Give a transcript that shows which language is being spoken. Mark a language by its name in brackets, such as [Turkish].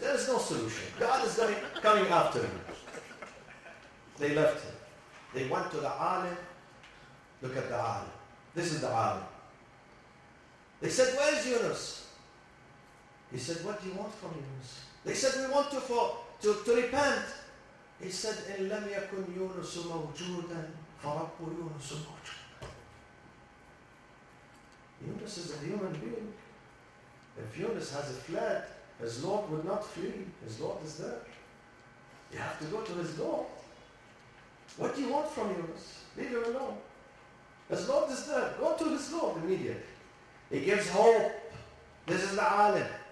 [English] There is no solution. God is coming after him. They left him. They went to the alim. Look at the alim. This is the alim. They said, where is Yunus? He said, what do you want from Yunus? They said, we want to repent. He said, [Arabic] إِن لَمْ يَكُنْ يُونُسُ مَوْجُودًا فَرَبُّ يُونُسُ مَوْجُودًا. [English] Yunus is a human being. If Yunus has a fled, his Lord would not flee. His Lord is there. You have to go to his Lord. What do you want from Yunus? Leave him alone. It's not disturbed. Go to Islam immediately. It gives hope. This is the alim.